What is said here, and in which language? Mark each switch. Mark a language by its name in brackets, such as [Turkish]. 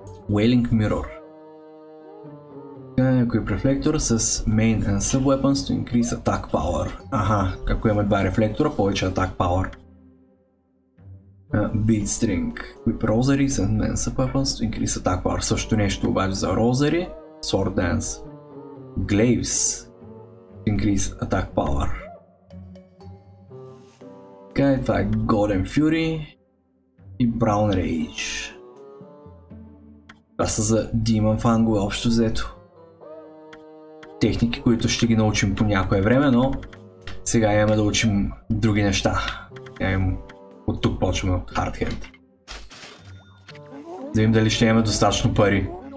[English] Wailing Mirror. Equip Reflector с Main and Sub Weapons to increase Attack Power. [Bulgarian] Аха, ако имаме два рефлектора, повече Attack Power. [English] Beat String. Equip Rosary с Main Sub Weapons to increase Attack Power. [Bulgarian] Също нещо обаче за Rosary. [English] Sword Dance. Glaives increase attack power. [Bulgarian] Okay, това е Golden Fury и Brown Rage. Това са за Demon Fangue общо взето. Техники, които ще ги научим по някое време, но сега имаме да учим други неща. От тук почваме от Hard Hand. Да видим дали ще имаме достатъчно пари.